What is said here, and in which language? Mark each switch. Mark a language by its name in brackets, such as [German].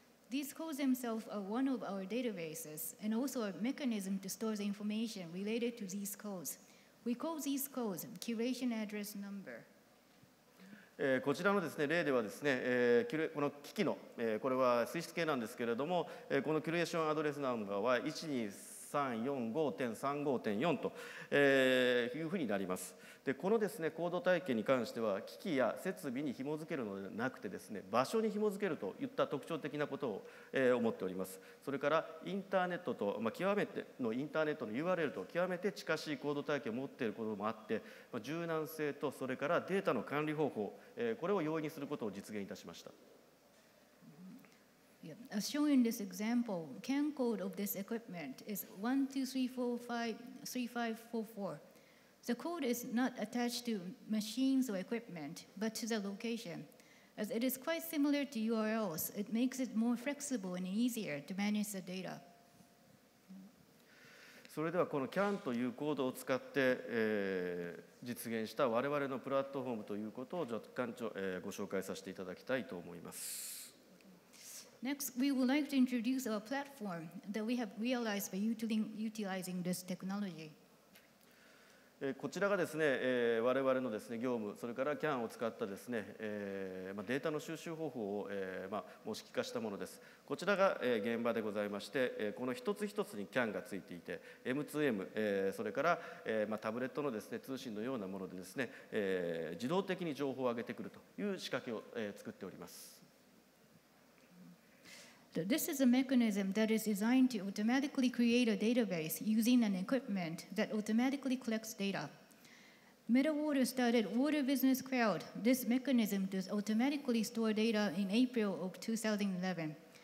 [English] These codes themselves are one of our databases and also a mechanism to store the information related to these codes. We call these codes curation address number. [Japanese] こちらのですね例ではですねこの機器のこれは水質計なんですけれどもこのキュレーションアドレスナンバーは123 1345.35.4 というふうになります。でこのですね、行動体系に関しては機器や設備に紐づけるのではなくてですね、場所に紐づけるといった特徴的なことを、思っております。それからインターネットと、極めてのインターネットの URL と極めて近しい行動体系を持っていることもあって、柔軟性とそれからデータの管理方法、これを容易にすることを実現いたしました。 [English] Yeah. As shown in this example, CAN code of this equipment is 1234533544. The code is not attached to machines or equipment, but to the location. As it is quite similar to URLs, it makes it more flexible and easier to manage the data. [Japanese] それではこの CAN というコードを使って、実現した我々のプラットフォームということを館長、ご紹介させていただきたいと思います。 [English] Next, we would like to introduce our platform that we have realized by utilizing this technology. [Japanese] こちらがですね、我々のですね、業務、それから CAN を使ったですね、データの収集方法を、模式化したものです。こちらが、現場でございまして、この一つ一つに CAN がついていて、M2M、それから、タブレットのですね、通信のようなものでですね、自動的に情報を上げてくるという仕掛けを、作っております。 [English] This is a mechanism that is designed to automatically create a database using an equipment that automatically collects data. MetaWater started Water Business Cloud, this mechanism to automatically store data in April of 2011.